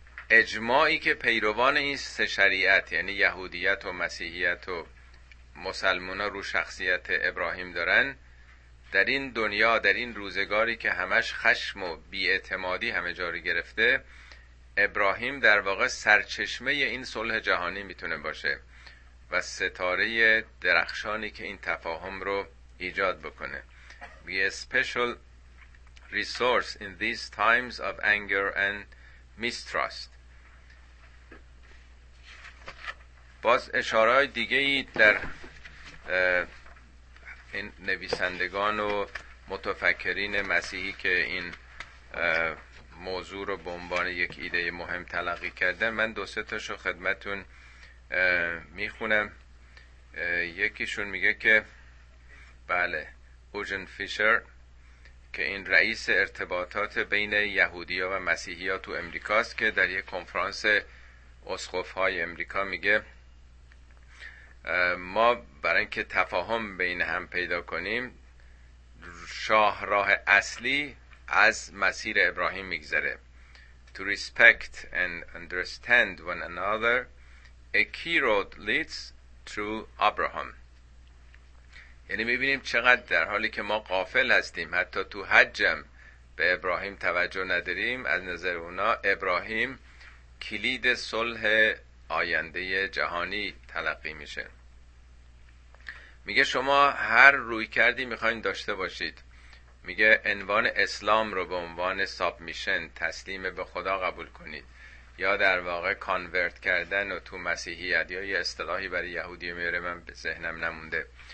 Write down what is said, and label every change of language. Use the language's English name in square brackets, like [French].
[Persian] اجماعی که پیروان این سه شریعت یعنی یهودیت و مسیحیت و مسلمان ها رو شخصیت ابراهیم دارن، در این دنیا در این روزگاری که همش خشم و بیعتمادی همه جاری گرفته، ابراهیم در واقع سرچشمه این صلح جهانی میتونه باشه و ستاره درخشانی که این تفاهم رو ایجاد بکنه. [English] Be a special resource in these times of anger and mistrust. [Persian] باز اشاره های دیگه ای در این نویسندگان و متفکرین مسیحی که این موضوع رو به عنوان یک ایده مهم تلقی کردن، من دو سه تاشو خدمتون میخونم. یکیشون میگه که بله، اوجن فیشر که این رئیس ارتباطات بین یهودی‌ها و مسیحی‌ها تو امریکاست، که در یک کنفرانس اسقف‌های امریکا میگه ما برای اینکه تفاهم بین هم پیدا کنیم، شاهراه اصلی از مسیر ابراهیم میگذره. [English] To respect and understand one another, a key road leads through Abraham. [Persian] یعنی میبینیم چقدر در حالی که ما غافل هستیم، حتی تو حجم به ابراهیم توجه نداریم، از نظر اونا ابراهیم کلید صلح آینده جهانی تلقی میشه. میگه شما هر رویکردی میخواین داشته باشید، میگه عنوان اسلام رو به عنوان سابمیشن، تسلیم به خدا قبول کنید، یا در واقع کانورت کردن و تو مسیحیت، یا یه اصطلاحی برای یهودی میاره من به ذهنم نمونده،